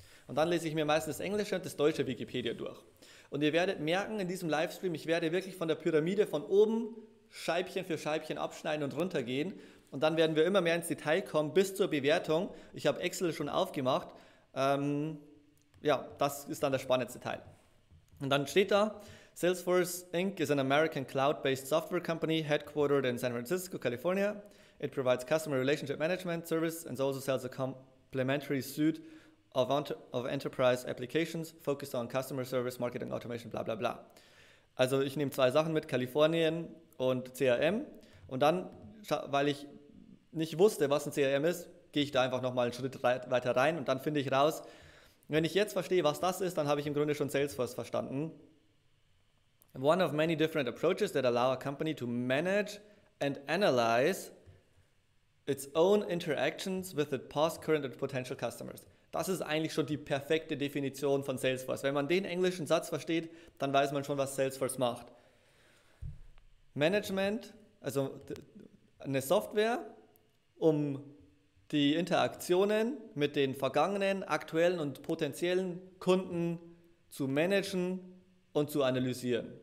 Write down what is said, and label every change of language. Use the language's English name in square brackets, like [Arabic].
[German] Und dann lese ich mir meistens das Englische und das deutsche Wikipedia durch. Und ihr werdet merken in diesem Livestream, ich werde wirklich von der Pyramide von oben Scheibchen für Scheibchen abschneiden und runtergehen. Und dann werden wir immer mehr ins Detail kommen bis zur Bewertung. Ich habe Excel schon aufgemacht. Ja, das ist dann der spannendste Teil. Und dann steht da: Salesforce Inc. [English] is an American cloud-based software company headquartered in San Francisco, California. It provides customer relationship management service and also sells a complementary suite of enterprise applications focused on customer service, marketing automation, bla bla bla. [German] Also ich nehme zwei Sachen mit, Kalifornien und CRM. Und dann, weil ich nicht wusste, was ein CRM ist, gehe ich da einfach nochmal einen Schritt weiter rein und dann finde ich raus, wenn ich jetzt verstehe, was das ist, dann habe ich im Grunde schon Salesforce verstanden. [English] One of many different approaches that allow a company to manage and analyze its own interactions with the past, current and potential customers. [German] Das ist eigentlich schon die perfekte Definition von Salesforce. Wenn man den englischen Satz versteht, dann weiß man schon, was Salesforce macht. Management, also eine Software, um die Interaktionen mit den vergangenen, aktuellen und potenziellen Kunden zu managen und zu analysieren.